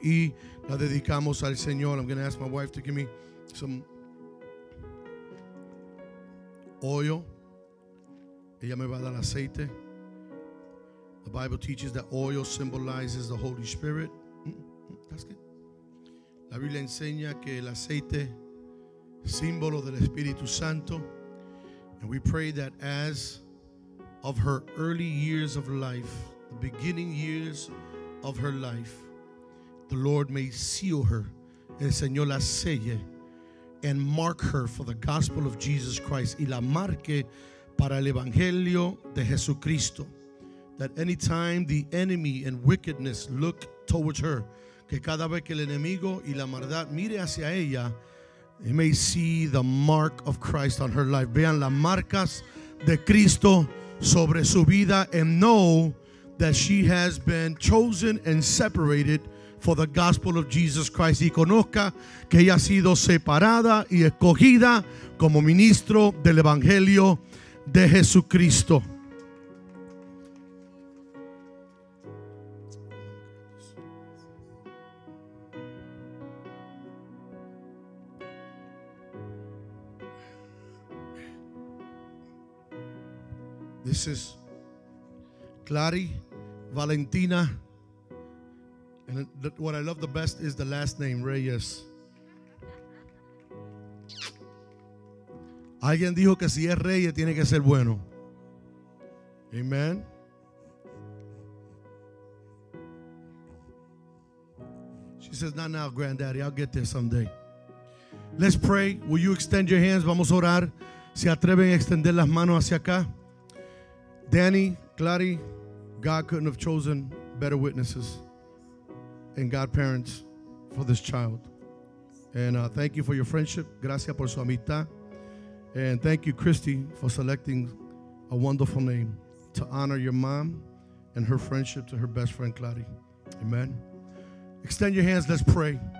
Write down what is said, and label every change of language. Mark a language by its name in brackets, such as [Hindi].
[Spanish] Y la dedicamos al Señor. [English] I'm going to ask my wife to give me some oil. [Spanish] Ella me va a dar aceite. [English] The Bible teaches that oil symbolizes the Holy Spirit. That's good. [Spanish] La Biblia enseña que el aceite, símbolo del Espíritu Santo. [English] And we pray that as of her early years of life, the beginning years of her life, the Lord may seal her, [Spanish] el Señor la selle, [English] and mark her for the gospel of Jesus Christ, [Spanish] y la marque para el Evangelio de Jesucristo. [English] That any time the enemy and wickedness look towards her, [Spanish] que cada vez que el enemigo y la maldad mire hacia ella, [English] they may see the mark of Christ on her life. [Spanish] Vean las marcas de Cristo sobre su vida, [English] and know that she has been chosen and separated for the gospel of Jesus Christ. [Spanish] Y conozca que ella ha sido separada y escogida como ministro del Evangelio de Jesucristo. [English] This is Clary Valentina. And what I love the best is the last name, Reyes. [Spanish] Alguien dijo que si es Reyes tiene que ser bueno. [English] Amen. She says, not now, granddaddy. I'll get there someday. Let's pray. Will you extend your hands? [Spanish] Vamos a orar. Se atreven a extender las manos hacia acá. [English] Danny, Clary, God couldn't have chosen better witnesses and godparents for this child. And thank you for your friendship. [Spanish] Gracias por su amistad. [English] And thank you, Christy, for selecting a wonderful name to honor your mom and her friendship to her best friend, Clary. Amen. Extend your hands. Let's pray.